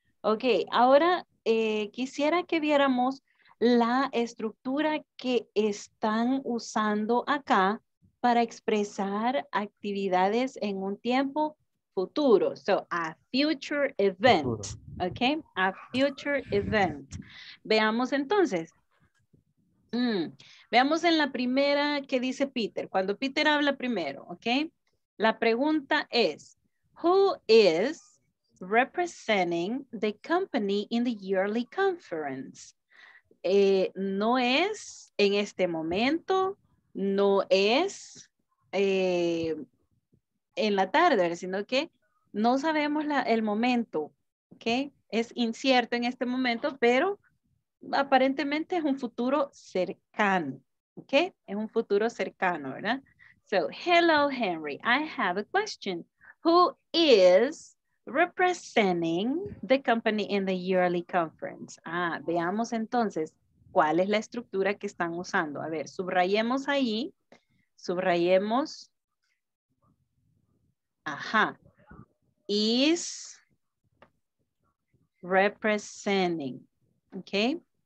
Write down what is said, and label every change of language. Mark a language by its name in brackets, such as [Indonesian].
[Spanish] Ok, ahora quisiera que viéramos la estructura que están usando acá para expresar actividades en un tiempo futuro. [English] So, a future event. Ok, a future event. [Spanish] Veamos entonces. Veamos en la primera que dice Peter, cuando Peter habla primero, ¿ok? La pregunta es, [English] who is representing the company in the yearly conference? [Spanish] No es en este momento, no es en la tarde, sino que no sabemos el momento, ¿ok? Es incierto en este momento, pero aparentemente es un futuro cercano. Okay, es un futuro cercano, ¿verdad? [English] So, hello, Henry. I have a question. Who is representing the company in the yearly conference? [Spanish] Ah, veamos entonces cuál es la estructura que están usando. A ver, subrayemos ahí. Subrayemos. [English] Ajá. Is representing. Okay.